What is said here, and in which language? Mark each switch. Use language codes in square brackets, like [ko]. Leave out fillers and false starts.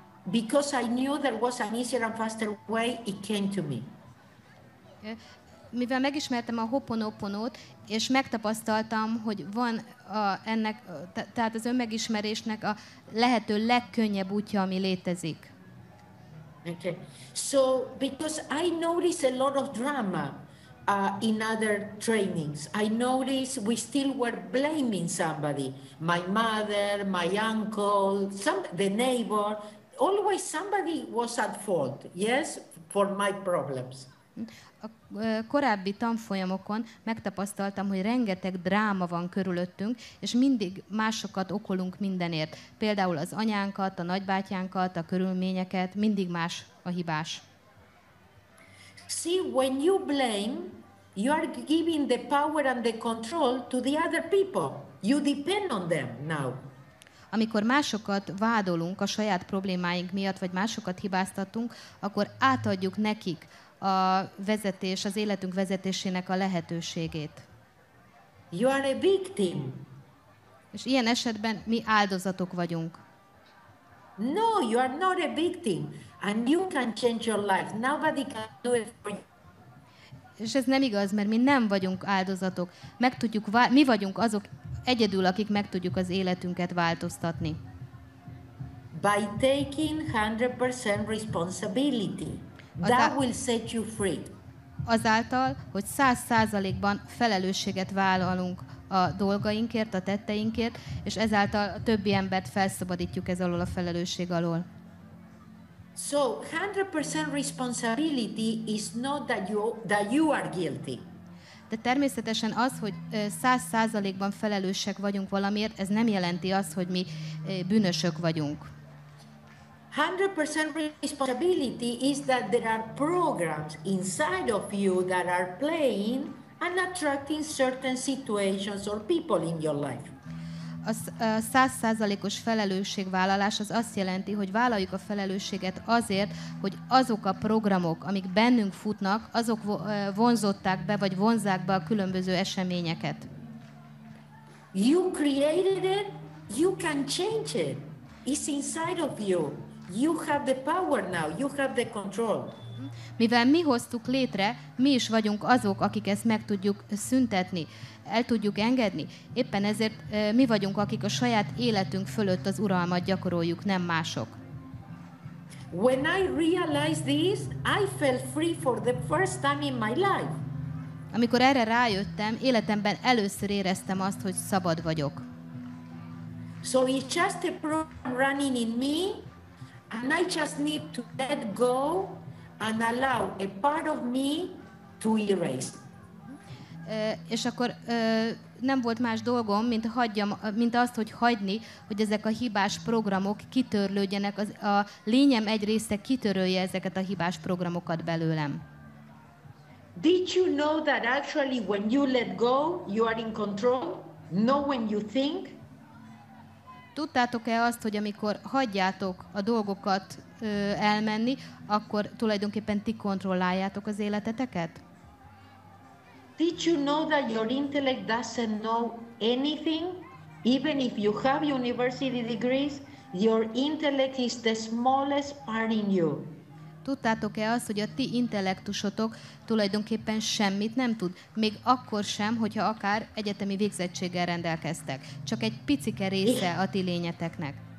[en] Because I knew there was an easier and faster way, it came to me. [hu] Mivel megismertem a Ho'oponoponót, és megtapasztaltam, hogy van ennek, tehát az önmegismerésnek a lehető legkönnyebb útja, ami létezik. [en] Okay. So because I noticed a lot of drama. In other trainings, I noticed we still were blaming somebody, my mother, my uncle, the neighbor, always somebody was at fault, yes, for my problems. [hu] A korábbi tanfolyamokon megtapasztaltam, hogy rengeteg dráma van körülöttünk, és mindig másokat okolunk mindenért. Például az anyánkat, a nagybátyánkat, a körülményeket, mindig más a hibás. [en] See, when you blame, you are giving the power and the control to the other people. You depend on them now. [hu] amikor másokat vádolunk a saját problémáink miatt, vagy másokat hibáztatunk, akkor átadjuk nekik a vezetés, az életünk vezetésének a lehetőségét. [en] You are a victim. [hu] És ilyen esetben mi áldozatok vagyunk. [en] No, you are not a victim. And you can change your life. Nobody can do it for you. [hu] És ez nem igaz, mert mi nem vagyunk áldozatok. Meg tudjuk, mi vagyunk azok egyedül, akik meg tudjuk az életünket változtatni. [en] By taking 100% responsibility, that will set you free. [hu] Azáltal, hogy 100%-ban felelősséget vállalunk a dolgainkért, a tetteinkért, és ezáltal a többi embert felszabadítjuk ez alól a felelősség alól. [en] So 100% responsibility is not that you are guilty. [hu] De természetesen az, hogy 100%-ban felelősek vagyunk valamiért, ez nem jelenti azt, hogy mi bűnösök vagyunk. [en] 100% responsibility is that there are programs inside of you that are playing and attracting certain situations or people in your life. [hu] A 100%-os felelősségvállalás az azt jelenti, hogy vállaljuk a felelősséget azért, hogy azok a programok, amik bennünk futnak, azok vonzották be, vagy vonzák be a különböző eseményeket. [en] You created it, you can change it. It's inside of you. You have the power now, you have the control. [hu] Mivel mi hoztuk létre, mi is vagyunk azok, akik ezt meg tudjuk szüntetni, el tudjuk engedni. Éppen ezért mi vagyunk, akik a saját életünk fölött az uralmat gyakoroljuk, nem mások. [en] When I realized this, I felt free for the first time in my life. [hu] Amikor erre rájöttem, életemben először éreztem azt, hogy szabad vagyok. [en] So it's just a problem running in me, and I just need to let go and allow a part of me to erase. [hu] És akkor nem volt más dolgom, mint hagyjam, mint azt, hogy hagyni, hogy ezek a hibás programok kitörlődjenek, a lényem egy része kitörölje ezeket a hibás programokat belőlem. [en] Did you know that actually when you let go, you are in control? Know when you think? [hu] Tudtátok-e azt, hogy amikor hagyjátok a dolgokat elmenni, akkor tulajdonképpen ti kontrolláljátok az életeteket? [en] Did you know that your intellect doesn't know anything? Even if you have university degrees, your intellect is the smallest part in you. [hu] Tudtátok-e azt, hogy a ti intellektusotok tulajdonképpen semmit nem tud? Még akkor sem, hogyha akár egyetemi végzettséggel rendelkeztek. Csak egy picike része a ti lényeteknek.